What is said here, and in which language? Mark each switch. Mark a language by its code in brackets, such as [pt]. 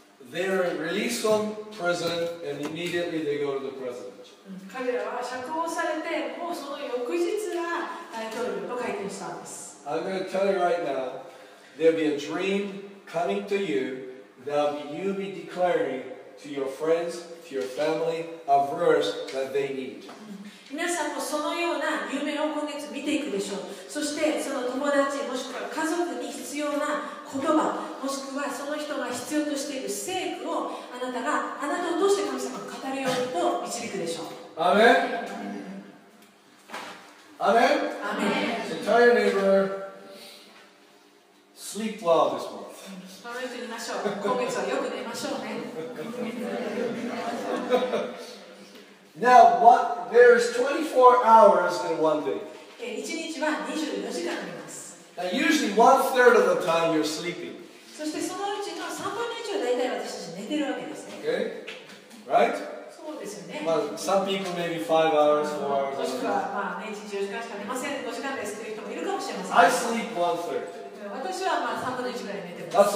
[en] They're released from prison and immediately they go to the president. [ja] 彼らは釈放されて、もうその翌日が大統領と会見したんです。 [en] I'm going to tell you right now, there'll be a dream coming to you that you'll be declaring to your friends, to your family, a verse that they need. [ja] 皆さんもそのような夢を今月見ていくでしょう。そしてその友達もしくは家族に必要な言葉もしくはその人が必要としている聖句をあなたを通して神様が語るようにと導くでしょう。アメン。アメン。アメン。 [en] So tell your neighbor, sleep well this month. [ja] 今月寝ましょう。今月はよく寝ましょうね。 [en] Now, what, there's 24 hours in one day. [ja] 1日は24時間あります。 [en] Now, usually, one third of the time you're sleeping. [ja] そしてそのうちの3分の1は大体私たち寝てるわけですね。 [en] Okay? Right? [ja] そうですよね。 [en] Well, some people maybe 5 hours, 4 hours. [ja] もしくは、まあ、1日4時間しか寝ません、5時間ですという人もいるかもしれません。 [en] I sleep one third. [ja] 私はまあ3分の1ぐらい寝てます。